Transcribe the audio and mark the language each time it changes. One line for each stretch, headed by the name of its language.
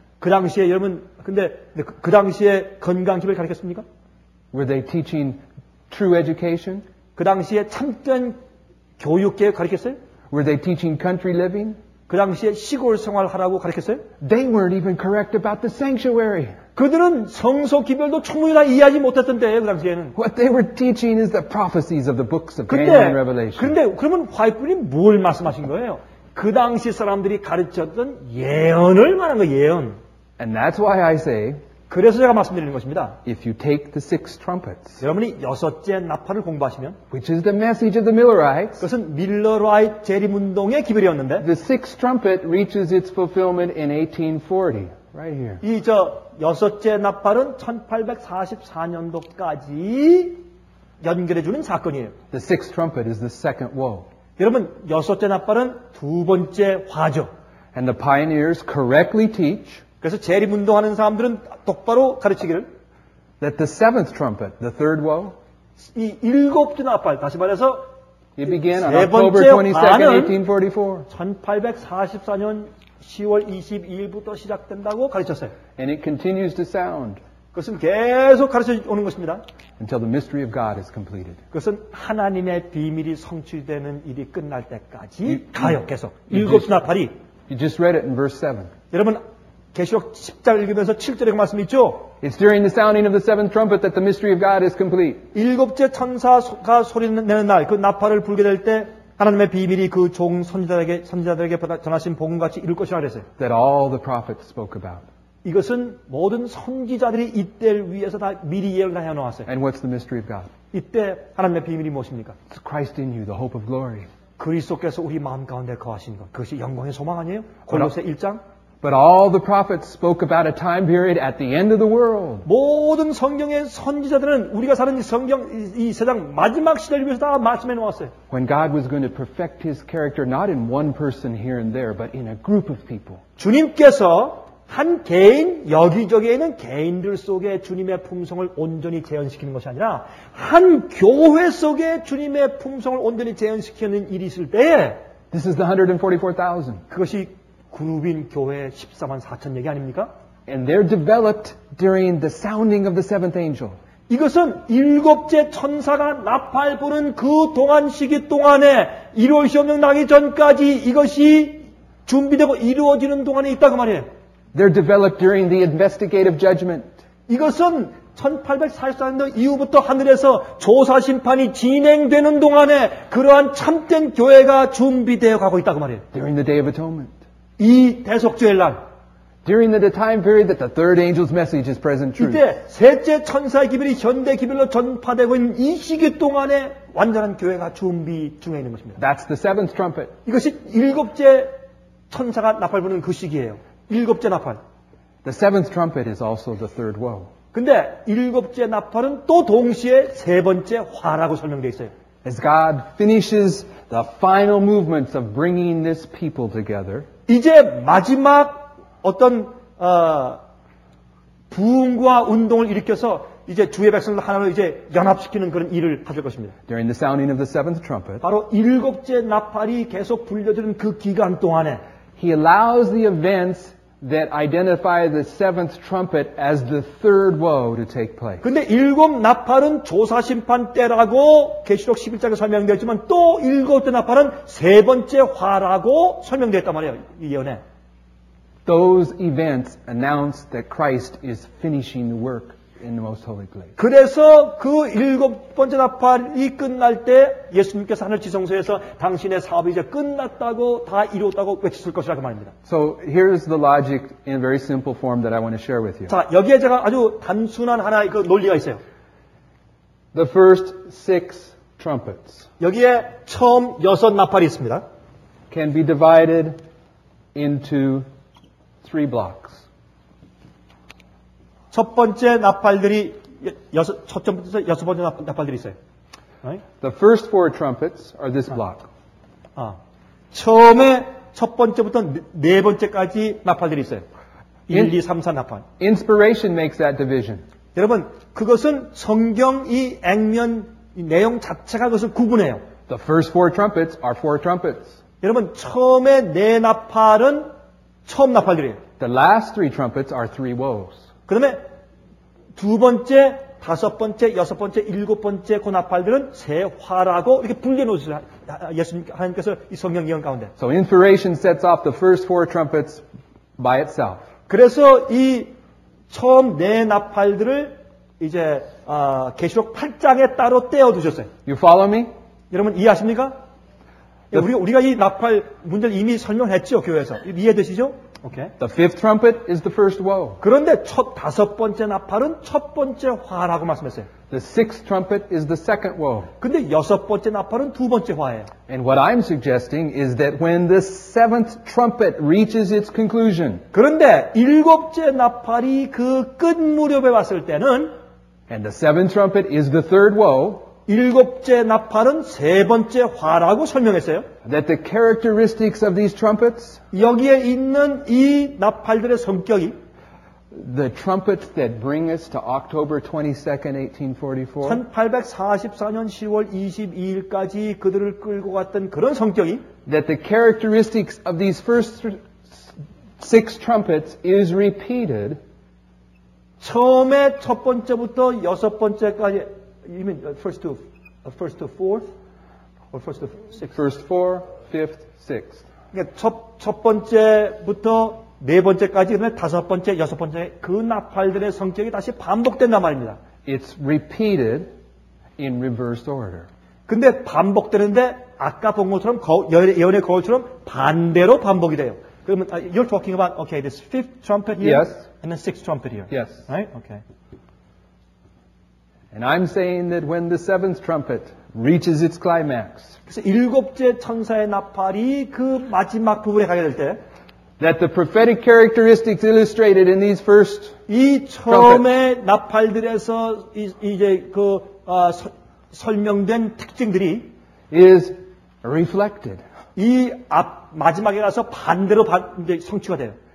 Korean: 그 당시에 여러분 근데 그 당시에 건강 기별 가르쳤습니까?
English: Were they teaching true education?
Korean: 그 당시에 참된 교육계 가르쳤어요?
English: Were they teaching country living?
Korean: 그 당시에 시골 생활하라고 가르쳤어요?
English: They weren't even correct about the sanctuary.
Korean: 그들은 성소 기별도 충분히 다 이해하지 못했던데 그 당시에는.
English: What they were teaching is the prophecies of the books of Daniel and Revelation.
Korean: 근데 그러면 화이프님 뭘 말씀하신 거예요? 그 당시 사람들이 가르쳤던 예언을 말한 거 예언.
English: And that's why I say.
Korean: 그래서 제가 말씀드리는 것입니다.
English: If you take the six trumpets,
Korean: 여러분이 여섯째 나팔을 공부하시면,
English: which is the message of the Millerites,
Korean: 그것은 밀러라이트 재림운동의 기별이었는데,
English: the sixth trumpet reaches its fulfillment in 1840, right here.
Korean: 이 저 여섯째 나팔은 1844년도까지 연결해 주는 사건이에요.
English: The sixth trumpet is the second woe.
Korean: 여러분 여섯째 나팔은 두 번째 화죠.
English: And the pioneers correctly teach.
Korean: 그래서 재림 운동하는 사람들은 똑바로 가르치기를
English: that the seventh trumpet, the third woe,
Korean: 이 일곱째 나팔 다시 말해서
English: it began on October 22nd, 1844.
Korean: 1844년 10월 22일부터 시작된다고 가르쳤어요.
English: And it continues to sound.
Korean: 그것은 계속 가르쳐 오는 것입니다.
English: until the mystery of God is completed.
Korean: 그것은 하나님의 비밀이 성취되는 일이 끝날 때까지 가요. 계속 일곱 나팔이.
English: You just read it in verse 7.
Korean: 여러분 계시록 10장 읽으면서 7절의 말씀 있죠?
English: It's during the sounding of the seventh trumpet that the mystery of God is complete.
Korean: 일곱째 천사가 소리 내는 날, 그 나팔을 불게 될 때 하나님의 비밀이 그 종 선지자들에게 전하신 복음 같이 이룰 것이라 그랬어요.
English: That all the prophets spoke about.
Korean: 이것은 모든 선지자들이 이때를 위해서 다 미리 예언을 다 해놓았어요.
English: And what's the mystery of God?
Korean: 이때 하나님의 비밀이 무엇입니까?
English: It's Christ in you, the hope of glory.
Korean: 그리스도께서 우리 마음 가운데 거하시는 것, 그것이 영광의 소망 아니에요? 골로새 1장.
English: But all the prophets spoke about a time period at the end of the world.
Korean: 모든 성경의 선지자들은 우리가 사는 성경 이 세상 마지막 시대를 위해서 다 말씀해 놓았어요.
English: When God was going to perfect His character, not in one person here and there, but in a group of people.
Korean: 주님께서 한 개인 여기저기 있는 개인들 속에 주님의 품성을 온전히 재현시키는 것이 아니라 한 교회 속에 주님의 품성을 온전히 재현시키는 일이 있을 때에.
English: This is the 144,000.
Korean: 그것이 그룹인 교회 14만 4천 얘기 아닙니까?
English: And they're developed during the sounding of the seventh angel.
Korean: 이것은 일곱째 천사가 나팔 부는 그 동안 시기 동안에 1월 시험령 나기 전까지 이것이 준비되고 이루어지는 동안에 있다 그 말이에요.
English: They're developed during the investigative judgment.
Korean: 이것은 1844년 이후부터 하늘에서 조사 심판이 진행되는 동안에 그러한 참된 교회가 준비되어 가고 있다 그 말이에요.
English: During the day of atonement.
Korean: 이 대속죄 날.
English: During the time period that the third angel's message is present truth.
Korean: 이때 셋째 천사의 기별이 현대 기별로 전파되고 있는 이 시기 동안에 완전한 교회가 준비 중에 있는 것입니다.
English: That's the seventh trumpet.
Korean: 이것이 일곱째 천사가 나팔 부는 그 시기예요. 일곱째 나팔.
English: The seventh trumpet is also the third woe.
Korean: 근데 일곱째 나팔은 또 동시에 세 번째 화라고 설명돼 있어요.
English: As God finishes the final movements of bringing this people together.
Korean: 이제 마지막 어떤 부흥과 운동을 일으켜서 이제 주의 백성들 하나로 이제 연합시키는 그런 일을 하실 것입니다.
English: During the sounding of the seventh trumpet,
Korean: 바로 일곱째 나팔이 계속 불려지는 그 기간 동안에
English: He allows the events that identify the seventh trumpet as the third woe to take place.
Korean: 근데 일곱 나팔은 조사 심판 때라고 계시록 11장에 설명되었지만 또 일곱째 나팔은 세 번째 화라고 설명되었단 말이에요. 이 예언에.
English: Those events announce that Christ is finishing the work in the most holy place.
Korean: 그래서 그 일곱 번째 나팔이 끝날 때 예수님께서 하늘 지성소에서 당신의 사업이 이제 끝났다고 다 이루었다고 외치실 것이라고 말입니다.
English: So here's the logic in a very simple form that I want to share with you.
Korean: 자, 여기에 제가 아주 단순한 하나의 그 논리가 있어요.
English: The first six trumpets.
Korean: 여기에 처음 여섯 나팔이 있습니다.
English: Can be divided into three blocks.
Korean: 첫 번째 나팔들이 여섯 첫째부터 여섯 번째 나팔들이 있어요.
English: The first four trumpets are this block.
Korean: 아, 처음에 첫 번째부터 네 번째까지 나팔들이 있어요. 1, 2, 3, 4 나팔.
English: Inspiration makes that division.
Korean: 여러분, 그것은 성경 이 액면 이 내용 자체가 그것을 구분해요.
English: The first four trumpets are four trumpets.
Korean: 여러분, 처음에 네 나팔은 처음 나팔들이에요.
English: The last three trumpets are three woes.
Korean: 그 다음에 두 번째, 다섯 번째, 여섯 번째, 일곱 번째 그 나팔들은 새 화라고 이렇게 분리해 놓으세요. 예수님, 하나님께서 이 성경 예언 가운데.
English: So inspiration sets off the first four trumpets by itself.
Korean: 그래서 이 처음 네 나팔들을 이제 계시록 8장에 따로 떼어두셨어요.
English: You follow me?
Korean: 여러분 이해하십니까? The, 우리가 이 나팔 문제를 이미 설명했죠, 교회에서. 이해되시죠? Okay.
English: The fifth trumpet is the first woe.
Korean: 그런데 첫 다섯 번째 나팔은 첫 번째 화라고 말씀했어요.
English: The sixth trumpet is the second woe.
Korean: 근데 여섯 번째 나팔은 두 번째 화예요.
English: And what I'm suggesting is that when the seventh trumpet reaches its conclusion.
Korean: 그런데 일곱째 나팔이 그 끝 무렵에 왔을 때는
English: And the seventh trumpet is the third woe.
Korean: 일곱째 나팔은 세 번째 화라고 설명했어요.
English: That the characteristics of these trumpets
Korean: 여기에 있는 이 나팔들의 성격이
English: the trumpets that bring us to October 22nd, 1844
Korean: 1844년 10월 22일까지 그들을 끌고 갔던 그런 성격이
English: that the characteristics of these first six trumpets is repeated
Korean: 처음에 첫 번째부터 여섯 번째까지
English: You mean first to fourth or first to sixth? First four, fifth, sixth.
Korean: 그러니까 첫 번째부터 네 번째까지 그다음에 다섯 번째, 여섯 번째 그 나팔들의 성격이 다시 반복된단 말입니다.
English: It's repeated in reverse order.
Korean: 근데 반복되는데 아까 본 것처럼 예언의 거울처럼 반대로 반복이 돼요. 그러면
English: you're talking about okay, this fifth trumpet here yes. and then sixth trumpet here. Yes. Right? Okay. And I'm saying that when the seventh trumpet reaches its climax,
Korean: 그래서 일곱째 천사의 나팔이 그 마지막 부분에 가게 될 때,
English: that the prophetic characteristics illustrated in these first
Korean: 이 처음에 나팔들에서 이제 그 설명된 특징들이
English: is reflected
Korean: 이 앞 마지막에 가서 반대로 이제 성취가 돼요.